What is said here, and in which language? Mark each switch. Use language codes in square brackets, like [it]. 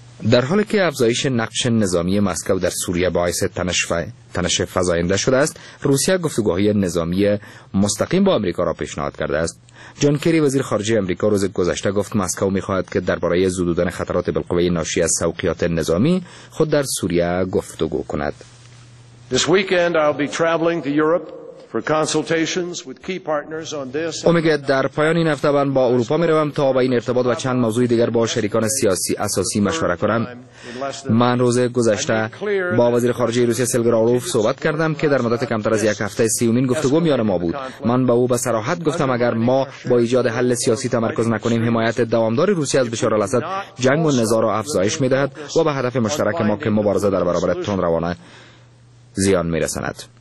[fa] در حالی که افزایش نقش نظامی مسکو در سوریه باعث تنش فزاینده شده است، روسیه گفتگوهای نظامی مستقیم با آمریکا را پیشنهاد کرده است. جان کری وزیر خارجه آمریکا روز گذشته گفت مسکو می‌خواهد که درباره زدودن خطرات بالقوه ناشی از سوقیات نظامی خود در سوریه گفتگو کند. [en] This weekend I'll be traveling to Europe for consultations with key partners on this. [fa] اومیگد در پایان این هفته من با اروپا میروم تا با این ارتباط و چند موضوع دیگر با شریکان سیاسی اساسی مشوره کنم. من روز گذشته با وزیر خارجه روسیه سلگراروف صحبت کردم که در مدت کمتر از یک هفته 30مین گفتگو میان ما بود. من با او به صراحت گفتم اگر ما با ایجاد حل سیاسی تمرکز نکنیم، حمایت دوامدار روسیه از بشار الاسد جنگ و نزاع را افزایش میدهد و به هدف مشترک ما که مبارزه در برابر تندروانه زیان میرساند.